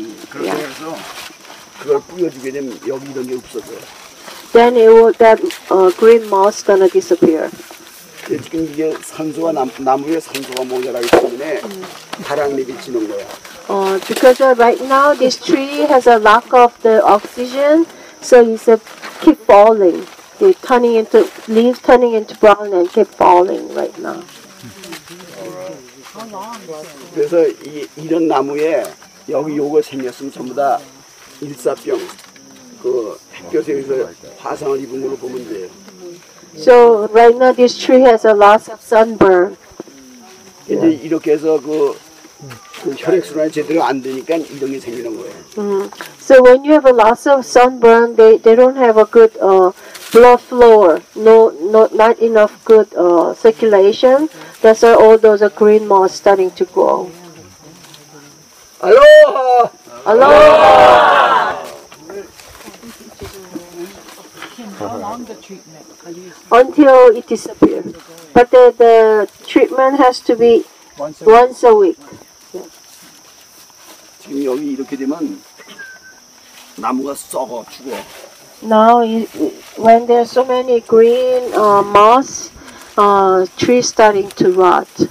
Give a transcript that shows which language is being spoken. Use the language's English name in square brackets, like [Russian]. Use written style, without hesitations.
[Korean] 그렇게 해서 그걸 뿌려주게 되면 여기 이런 게 없어져. [English] Then that green moss gonna disappear. [Korean] 지금 이게 산소가 나무에 산소가 모자라기 때문에 바람이 지는 거야. [English] Because right now this tree has a lack of the oxygen, so it's keep falling. They're turning into leaves, turning into brown, and keep falling right now. [Korean] 그래서 이런 나무에 여기 요거 생겼으면 전부 다 일사병 그 햇볕에 의해서 화상을 입은 걸로 보면 돼요. [English] So right now this tree has a lot of sunburn. [Korean] 이제 이렇게 해서 그 혈액순환이 제대로 안 되니까 이런 게 생기는 거예요. [English] So when you have a lot of sunburn, they don't have a good blood flow, not enough good circulation. That's why all those green moss starting to grow. Aloha! Aloha! Until it disappears. But the treatment has to be once a week. [Korean] 지금 여기 이렇게 되면 나무가 썩어 죽어. [English] Now, when there are so many green moss, trees starting to rot.